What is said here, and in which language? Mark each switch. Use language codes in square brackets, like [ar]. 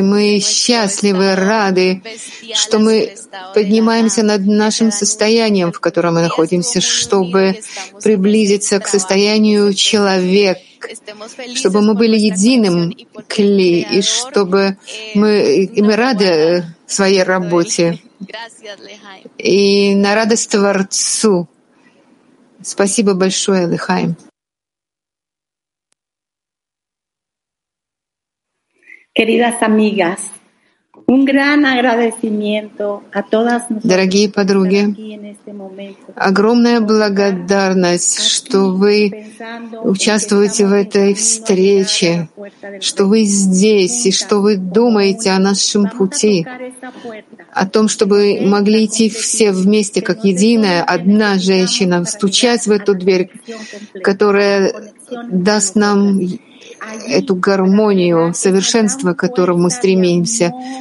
[ru] И мы счастливы, рады, что мы поднимаемся над нашим состоянием, в котором мы находимся, чтобы приблизиться к состоянию человека, чтобы мы были единым КЛИ, и чтобы мы рады своей работе и на радость Творцу. Спасибо большое, Лехаим. [es] Queridas amigas, un gran agradecimiento a todas nosotras. [ru] Дорогие подруги, огромная благодарность, что вы участвуете в этой встрече, что вы здесь и что вы думаете о нашем пути, о том, чтобы могли идти все вместе, как единая, одна женщина, стучать в эту дверь, которая даст нам эту гармонию, совершенство, к которому мы стремимся,